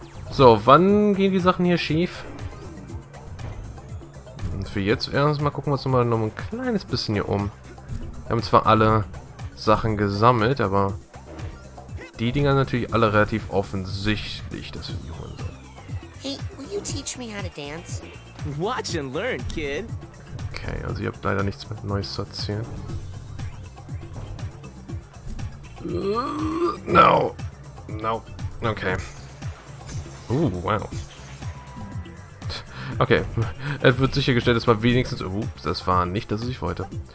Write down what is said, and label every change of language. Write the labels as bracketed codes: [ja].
[de] So, wann gehen die Sachen hier schief? Und für jetzt erstmal gucken wir uns nochmal ein kleines bisschen hier um. Wir haben zwar alle Sachen gesammelt, aber die Dinger sind natürlich alle relativ offensichtlich, dass wir die holen sollen. [en] Hey, will you teach me how to dance? Watch and learn, kid. [de] Okay, also ihr habt leider nichts mehr Neues zu erzählen. [en] No. No. Okay. Wow. [de] Okay, es wird sichergestellt, dass man wenigstens... Ups, das war nicht das, was ich wollte.